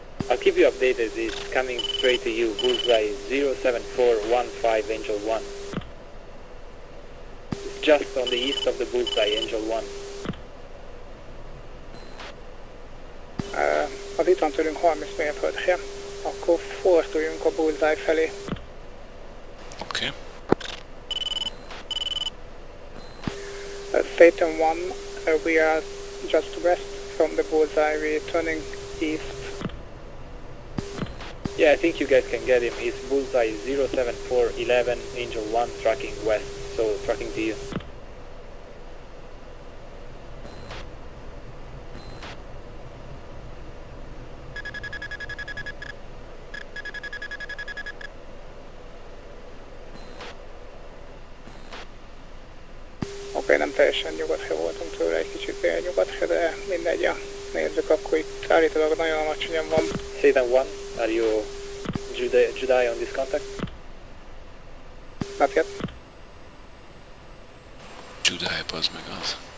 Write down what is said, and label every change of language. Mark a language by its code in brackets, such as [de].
[en] I'll keep you updated, it's coming straight to you, bullseye 07415, Angel 1. It's just on the east of the bullseye, Angel 1. [hu] Az itt van tőlünk 30 mérföldre, akkor forduljunk a bullseye felé. Oké. [en] Satan 1, we are just west from the bullseye, we're turning east. Yeah, I think you guys can get him. His bullseye is 07411, Angel 1, tracking west, so tracking to you. [hu] Okay, nem teljesen nyugatra voltunk tőle, egy kicsit fél nyugatra, de mindegy, ja. Nézzük, akkor itt állítólag nagyon alacsonyan van. [en] Satan 1. Are you Jedi on this contact? Not yet. Jedi, pass me guns.